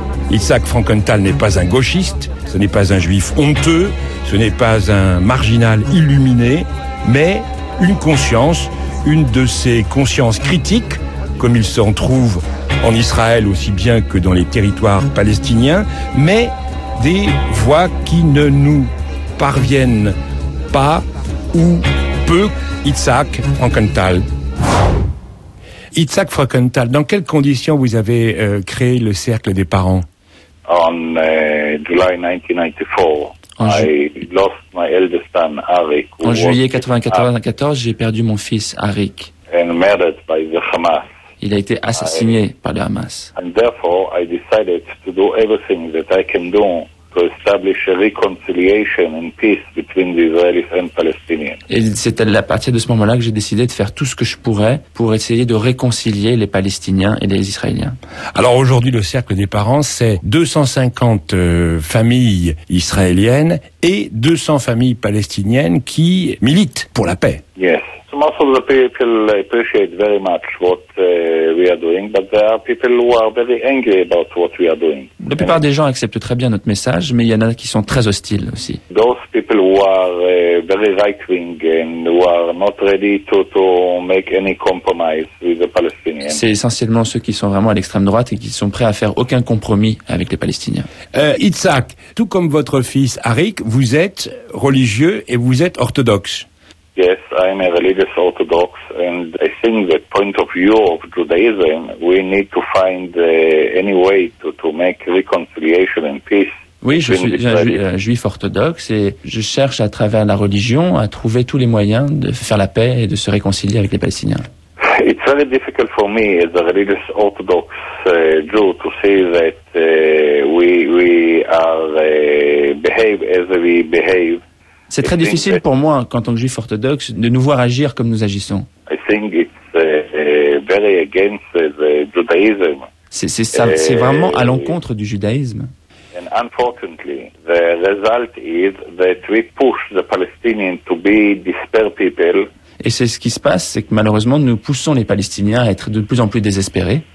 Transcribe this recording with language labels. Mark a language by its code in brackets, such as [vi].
[fr] Itzhak Frankenthal n'est pas un gauchiste, ce n'est pas un juif honteux, ce n'est pas un marginal illuminé, mais une conscience, une de ces consciences critiques, comme il s'en trouve en Israël aussi bien que dans les territoires palestiniens, mais des voix qui ne nous parviennent pas ou peu. Itzhak Frankenthal. Itzhak Frankenthal, dans quelles conditions vous avez créé le cercle des parents ? [en] On July 1994, I lost my eldest son, Arik. [fr] En juillet 1994, j'ai perdu mon fils, Arik. [en] And murdered by the Hamas. [fr] Il a été assassiné par le Hamas. [en] And therefore, I decided to do everything that I can do to establish a reconciliation and peace between the Israelis and Palestinians. [fr] Et c'est à partir de ce moment-là que j'ai décidé de faire tout ce que je pourrais pour essayer de réconcilier les Palestiniens et les Israéliens. Alors aujourd'hui, le cercle des parents, c'est 250 familles israéliennes et 200 familles palestiniennes qui militent pour la paix. [en] Yes. So most of the people appreciate very much what we are doing, but there are people who are very angry about what we are doing. [fr] La plupart des gens acceptent très bien notre message, mais il y en a qui sont très hostiles aussi. [en] Those people who are very right-wing and who are not ready to make any compromise with the Palestinians. [fr] C'est essentiellement ceux qui sont vraiment à l'extrême droite et qui sont prêts à faire aucun compromis avec les Palestiniens. Itzhak, tout comme votre fils Arik, vous êtes religieux et vous êtes orthodoxe. [en] Yes, I am a religious Orthodox, and I think that point of view of Judaism, we need to find any way to make reconciliation and peace. [fr] Oui, je suis un juif orthodoxe et je cherche à travers la religion à trouver tous les moyens de faire la paix et de se réconcilier avec les Palestiniens. [en] It's very difficult for me as a religious Orthodox Jew to say that we behave as we behave. [fr] C'est très difficile pour moi, en tant que juif orthodoxe, de nous voir agir comme nous agissons. [en] I think it's very against the Judaism. [fr] C'est vraiment à l'encontre du judaïsme. [en] And unfortunately, the result is that we push the Palestinians to be despair people. [fr] Et c'est ce qui se passe, c'est que malheureusement, nous poussons les Palestiniens à être de plus en plus désespérés.